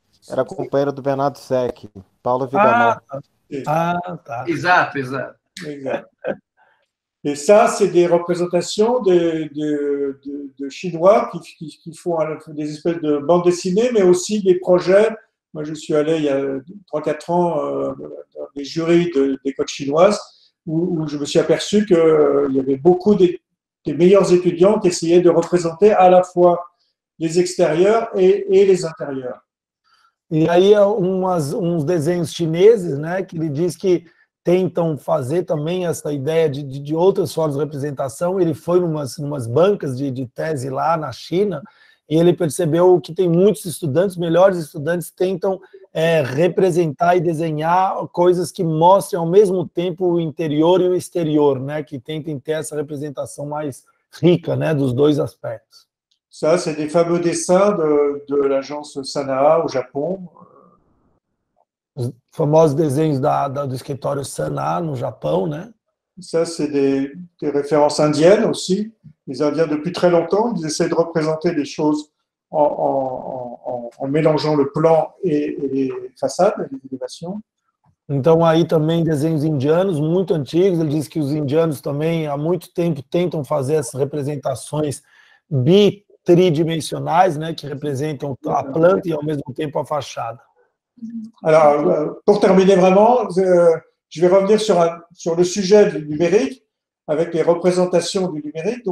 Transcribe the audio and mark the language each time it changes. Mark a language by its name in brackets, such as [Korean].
[Portuguese] Era companheiro do Bernardo Seck, Paulo Vigano. Ah, tá. Exato. E [French] ça, c'est des représentations de chinois qui font des espèces de bandes dessinées, mais aussi des projets. Moi, je suis allé il y a 3-4 ans dans des jurys d'écoles chinoises où je me suis aperçu qu'il y avait beaucoup des meilleurs étudiants qui essayaient de représenter à la fois les extérieurs et les intérieurs. [Portuguese] E aí uns desenhos chineses, né, que ele diz que tentam fazer também essa ideia de outras formas de representação. Ele foi numas bancas de tese lá na China e ele percebeu que tem muitos estudantes, melhores estudantes, tentam representar e desenhar coisas que mostrem ao mesmo tempo o interior e o exterior, né, que tentem ter essa representação mais rica, né, dos dois aspectos. [French] Ça, c'est des fameux dessins de l'agence Sanaa au Japon. Les fameux dessins du scriptorio Sanaa au Japon, né? Ça, c'est des références indiennes aussi. Les Indiens, depuis très longtemps, ils essaient de représenter des choses en mélangeant le plan et les façades, les élévations. [Portuguese] Então, aí também desenhos indianos, muito antigos. Ele diz que os indianos também, há muito tempo, tentam fazer essas representações tridimensionais, né, que representam a planta e ao mesmo tempo a fachada. [French] Alors, pour terminer vraiment, je vais revenir sur le sujet du numérique avec les représentations du numérique.